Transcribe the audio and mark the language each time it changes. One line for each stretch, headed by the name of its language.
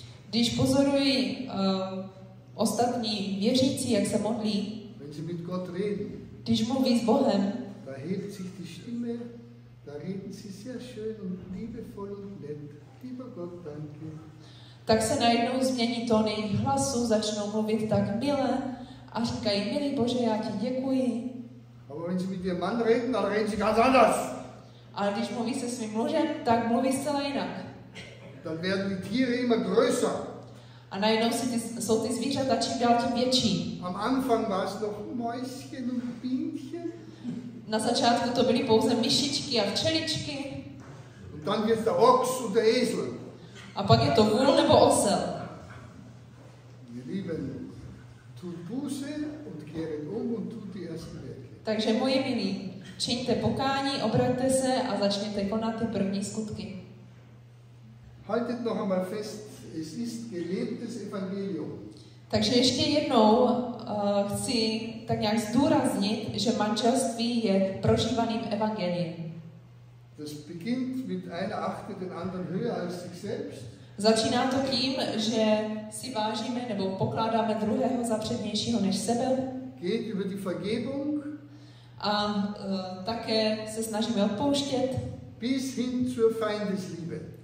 Czech: Když pozoruji ostatní věřící, jak se modlí,
German: reden,
Czech: když mluví s Bohem,
German: da hebt sich die Stimme, da reden sie sehr schön und liebevoll und nett. Lieber Gott, danke.
Czech: Tak se najednou změní tóny hlasu, začnou mluvit tak mile a říkají, milý Bože, já ti děkuji.
German: Aber wenn sie mit ihrem Mann reden, dann reden sie ganz anders.
Czech: Ale když mluví se svým mužem, tak mluví zcela jinak.
German: Dann werden die Tiere immer größer.
Czech: A najednou jsou ty zvířata čím dál tím větší.
German: Am Anfang war es noch Mäuschen und Bienchen.
Czech: Na začátku to byly pouze myšičky a včeličky.
German: Und dann wird der Ochs und der Esel.
Czech: A pak je to vůl nebo osel.
German: Ihr Lieben, tut Buße und kehret um und tut die ersten Werke.
Czech: Takže moje milí, čiňte pokání, obraťte se a začněte konat ty první skutky.
German: Haltet noch einmal fest, es ist gelebtes Evangelium.
Czech: Takže ještě jednou chci tak nějak zdůraznit, že manželství je prožívaným evangeliem.
German: Das beginnt mit einer achte den anderen höher als sich selbst.
Czech: Začíná to tím, že si vážíme nebo pokládáme druhého za přednějšího než sebe.
German: Geht über die Vergebung.
Czech: A také se snažíme odpouštět.
German: Bis hin zur Feindesliebe.